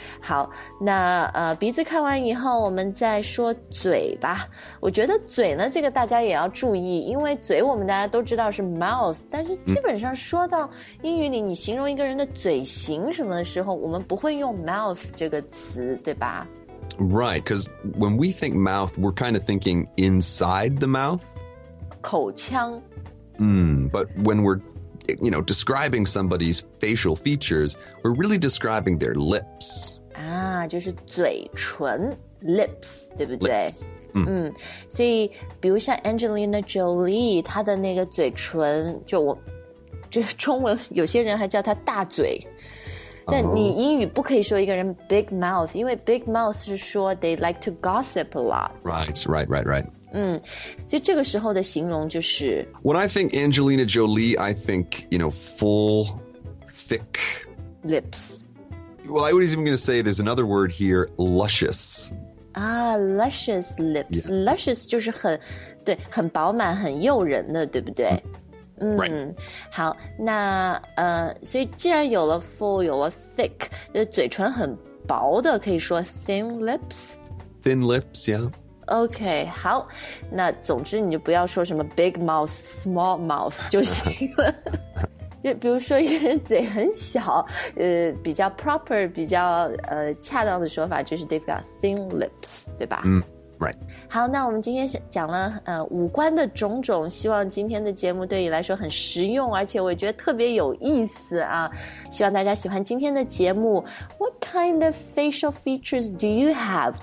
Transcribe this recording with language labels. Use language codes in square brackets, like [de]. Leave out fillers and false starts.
[zh] 好，那鼻子看完以后我们再说嘴吧。我觉得嘴呢这个大家也要注意因为嘴我们大家都知道是 mouth, 但是基本上说到英语里你形容一个人的嘴型什么的时候我们不会用 mouth 这个词对吧 [en] Right, because when we think mouth, we're kind of thinking inside the mouth. [zh] 口腔。 [en] But when we're... You know, describing somebody's facial features, we're really describing their lips. [zh] 就是嘴唇 lips, 对不对 [en] lips.、 [zh] 所以比如像 Angelina Jolie, 她的那个嘴唇就中文有些人还叫她大嘴。但你英语不可以说一个人 big mouth, 因为 big mouth 是说 [en] they like to gossip a lot. Right. [zh] 所以这个时候的形容就是 [en] When I think Angelina Jolie, I think, you know, full, thick Lips Well, I was even going to say there's another word here, luscious luscious lips、yeah. [zh] Luscious 就是很对很饱满很诱人的对不对、 [en] Right [zh] 好那所以既然有了 full, 有了 thick 嘴唇很薄的可以说 [en] Thin lips, yeah [zh] OK, 好那总之你就不要说什么 big mouth, small mouth 就行了。就比如说一个人嘴很小比较 proper, 比较恰当的说法就是 [en] they've got thin lips, [zh] 对吧、 [en] right. [zh] 好那我们今天讲了五官的种种希望今天的节目对你来说很实用而且我也觉得特别有意思啊。希望大家喜欢今天的节目。 [en] What kind of facial features do you have?